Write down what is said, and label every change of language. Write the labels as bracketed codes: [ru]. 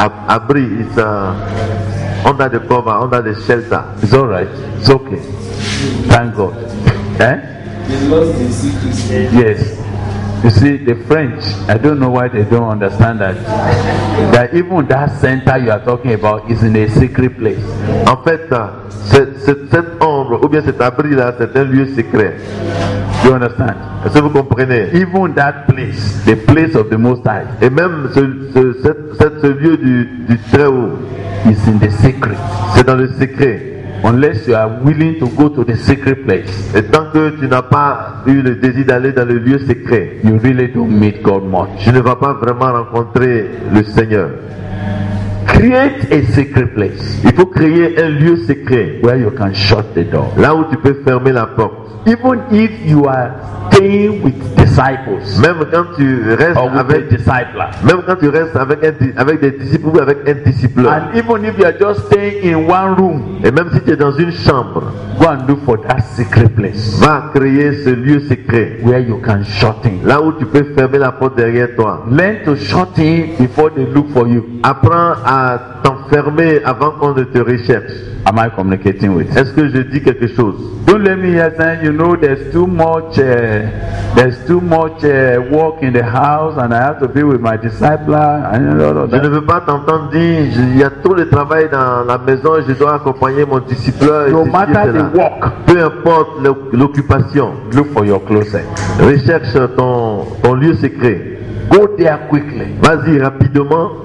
[en] Abri, it's under the cover, under the shelter. It's all right. It's okay. Thank God. Hein? Yes. You see, the French, I don't know why they don't understand that. That even that center you are talking about is in a secret place. [fr] En fait, cette ombre ou bien cet abri là, c'est un lieu secret. [en] You understand? [fr] Est-ce que vous comprenez? [en] Even that place, the place of the Most High, [fr] et même ce lieu du Très-Haut, [en] is in the secret. [fr] C'est dans le secret. [en] Unless you are willing to go to the secret place, [fr] et tant que tu n'as pas eu le désir d'aller dans le lieu secret, [en] you really don't meet God much. [fr] Tu ne vas pas vraiment rencontrer le Seigneur. [en] Create a secret place. [fr] Il faut créer un lieu secret [en] where you can shut the door. [fr] Là où tu peux fermer la porte. [en] Even if you are staying with disciples. [fr] Même quand tu restes avec des disciples. Même quand tu restes avec des disciples ou avec un disciple. [en] And even if you are just staying in one room. [fr] Et même si tu es dans une chambre. [en] Go and look for that secret place. [fr] Va créer ce lieu secret [en] where you can shut in. [fr] Là où tu peux fermer la porte derrière toi. [en] Learn to shut in before they look for you. [fr] Apprends à t'enfermer avant qu'on ne te recherche. [en] Am I communicating with? [fr] Est-ce que je dis quelque chose? [en] Don't let me hear saying, you know, there's too much work in the house, and I have to be with my disciple. [fr] Je ne veux pas t'entendre dire, il y a trop de travail dans la maison, et je dois accompagner mon disciple. [en] No matter the work, [fr] peu importe l'occupation, [en] look for your closet. [fr] Recherche ton lieu secret. [en] Go there quickly. [fr] Vas-y rapidement.